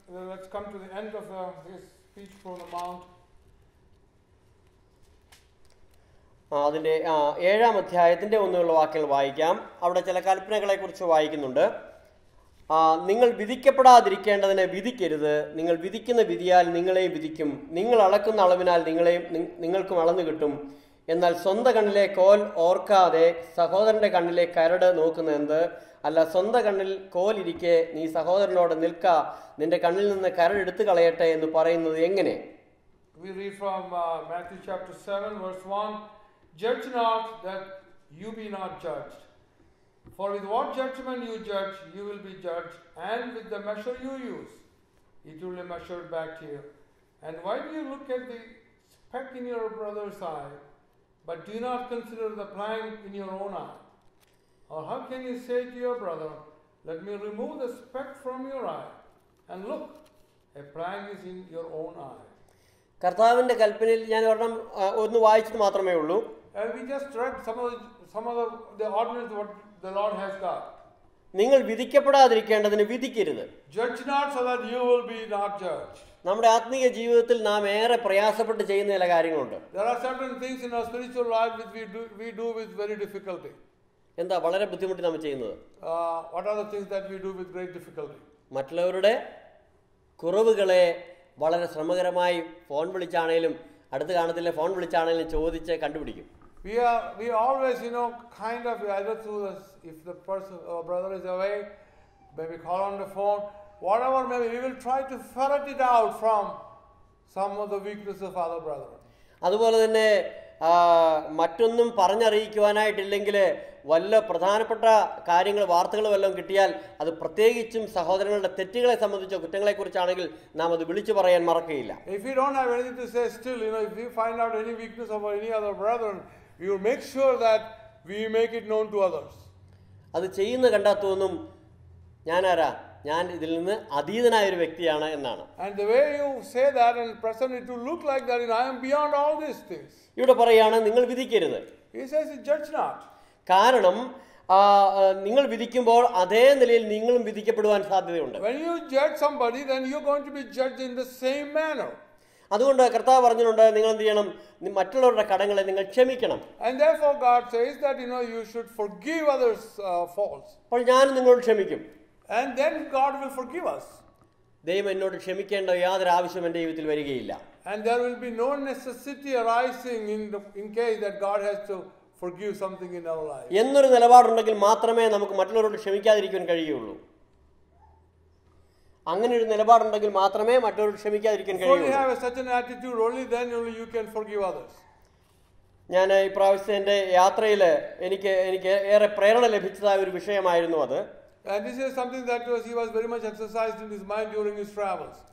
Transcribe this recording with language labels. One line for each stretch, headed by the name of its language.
English: Let's come to the end of his speech from the mount.
Malayalam: അതിന്റെ 7-ാം അധ്യായത്തിന്റെ ഒന്നുള്ള വാക്കുകൾ വായിക്കാം. അവിടെ ചില കൽപ്പനകളെ കുറിച്ച് വായിക്കുന്നുണ്ട്. നിങ്ങൾ വിധിക്കപ്പെടാതിരിക്കേണ്ടതിനെ വിധിക്കരുത്, നിങ്ങൾ വിധിക്കുന്ന വിധിയാൽ നിങ്ങളെയും വിധിക്കും, നിങ്ങൾ അളക്കുന്ന അളവിനാൽ നിങ്ങൾക്കും അളന്നു കിട്ടും. എന്നാൽ സ്വന്തം കണ്ണിലെ കോൽ ഓർക്കാതെ സഹോദരന്റെ കണ്ണിലെ കരട് നോക്കുന്നതെന്ത്? അല്ല, സ്വന്തം കണ്ണിൽ കോൽ ഇരിക്കെ നീ സഹോദരനോട് നിൽക്ക, നിന്റെ കണ്ണിൽ നിന്ന് കരട് എടുത്തു കളയട്ടെ എന്ന് പറയുന്നത് എങ്ങനെ?
English: We read from Matthew chapter 7 verse 1. Judge not that you be not judged. For with what judgment you judge, you will be judged, and with the measure you use, it will be measured back to you. And why do you look at the speck in your brother's eye, but do not consider the plank in your own eye? Or how can you say to your brother, let me remove the speck from your eye, and look, a plank is in your own eye?
Malayalam: കർത്താവിന്റെ കൽപ്പനയിൽ ഞാൻ ഒരെണ്ണം ഒന്ന് വായിച്ചിട്ട് മാത്രമേ ഉള്ളൂ.
English: And we just read some of the ordinances what the Lord has got.
Malayalam: നിങ്ങൾ വിധിക്കപ്പെടാതിരിക്കേണ്ടതിനെ വിധിക്കരുത്.
English: Judge not so that you will be not judged.
Malayalam: നമ്മുടെ ആത്മീയ ജീവിതത്തിൽ നാം ഏറെ പ്രയാസപ്പെട്ട് ചെയ്യുന്ന ചില കാര്യങ്ങളുണ്ട്.
English: There are certain things in our spiritual life which we do with very difficulty.
Malayalam: എന്താ വളരെ ബുദ്ധിമുട്ടി നാം ചെയ്യുന്നത്?
English: What are the things that we do with great difficulty?
Malayalam: മറ്റുള്ളവരുടെ കുറവുകളെ വളരെ ശ്രമകരമായി ഫോൺ വിളിച്ചാണെങ്കിലും അടുത്ത് കാണത്തില്ല ഫോൺ വിളിച്ചാണെങ്കിലും ചോദിച്ച് കണ്ടുപിടിക്കും.
English: We always, you know, kind of either through this, if the person or brother is away, maybe call on the phone, whatever, maybe we will try to ferret it out from some of the weakness of other brother.
Malayalam: അതുപോലെ തന്നെ മറ്റൊന്നും പറഞ്ഞറിയിക്കുവാനായിട്ടില്ലെങ്കിൽ വല്ല പ്രധാനപ്പെട്ട കാര്യങ്ങൾ വാർത്തകൾ വല്ലതും കിട്ടിയാൽ അത് പ്രത്യേകിച്ചും സഹോദരങ്ങളുടെ തെറ്റുകളെ സംബന്ധിച്ചോ കുറ്റങ്ങളെ കുറിച്ചാണെങ്കിൽ നാം അത് വിളിച്ചു പറയാൻ മറക്കുകയില്ല.
English: If you don't have anything to say still, you know, if we find out any weakness of any other brother, you make sure that we make it known to others.
Malayalam: അത് ചെയ്യുന്ന കണ്ടാത്തോന്നും ഞാനാരാ ഞാൻ ഇതിൽ നിന്ന് അതീതനായ ഒരു വ്യക്തിയാണ് എന്നാണ്.
English: And the way you say that and present it to look like that, you know, I am beyond all these things.
Malayalam: ഇവിടെ പറയാണ് നിങ്ങൾ വിധിക്കരുത്.
English: He says, judge not.
Malayalam: കാരണം നിങ്ങൾ വിധിക്കുമ്പോൾ അതേ നിലയിൽ നിങ്ങളും വിധിക്കപ്പെടുവാൻ സാധ്യതയുണ്ട്.
English: When you judge somebody, then you're going to be judged in the same manner.
Malayalam: അതുകൊണ്ട് കർത്താവ് പറഞ്ഞിട്ടുണ്ട് നിങ്ങൾ എന്ത് ചെയ്യണം മറ്റുള്ളവരുടെ കടങ്ങളെ നിങ്ങൾ ക്ഷമിക്കണം.
English: And therefore God says that, you know, you should forgive others faults.
Malayalam: അപ്പോൾ ഞാൻ നിങ്ങളോട് ക്ഷമിക്കും.
English: And then God will forgive us.
Malayalam: ദൈവം എന്നോട് ക്ഷമിക്കേണ്ട യാതൊരു ആവശ്യം എൻ്റെ ജീവിതത്തിൽ വരികയില്ല.
English: And there will be no necessity arising in case that God has to forgive something in our life.
Malayalam: എന്നൊരു നിലപാടുണ്ടെങ്കിൽ മാത്രമേ നമുക്ക് മറ്റുള്ളവരോട് ക്ഷമിക്കാതിരിക്കാൻ കഴിയുള്ളൂ. അങ്ങനെ ഒരു നിലപാടുണ്ടെങ്കിൽ മാത്രമേ മറ്റുള്ളവരോട് ക്ഷമിക്കാതിരിക്കാൻ കഴിയുള്ളൂ.
English: If you have such an attitude, only then only you can forgive others.
Malayalam: ഞാൻ ഇപ്രാവശ്യത്തെ യാത്രയിൽ എനിക്ക് ഏറെ പ്രേരണ ലഭിച്ചതായ ഒരു വിഷയമായിരുന്നു അത്.
English: And this is something that he was very much exercised in his mind during his travels.